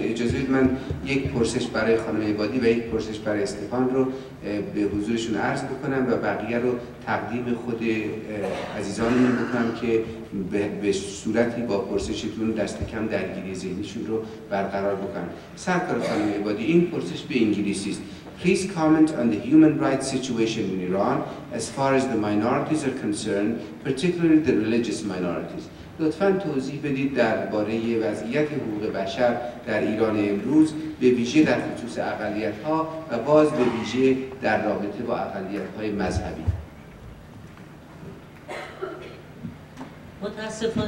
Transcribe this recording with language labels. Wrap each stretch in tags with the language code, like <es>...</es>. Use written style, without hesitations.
<fa>اجازه بدید من یک پرسش برای خانم عبادی و یک پرسش برای استفان رو به حضورشون عرض بکنم و بقیه رو تقدیم خود عزیزانمون بکنم که به صورتی با پرسشتون دست کم درگیری ذهنیشون رو برقرار بکنم. سرکار خانم عبادی، این پرسش به انگلیسی است.</fa> <en>Please comment on the human rights situation in Iran as far as the minorities are concerned, particularly the religious minorities.</en> <fa>لطفاً توضیح بدید درباره وضعیت حقوق بشر در ایران امروز، به ویژه در خصوص اقلیت‌ها و باز به ویژه در رابطه با اقلیت‌های مذهبی. متأسفانه</fa>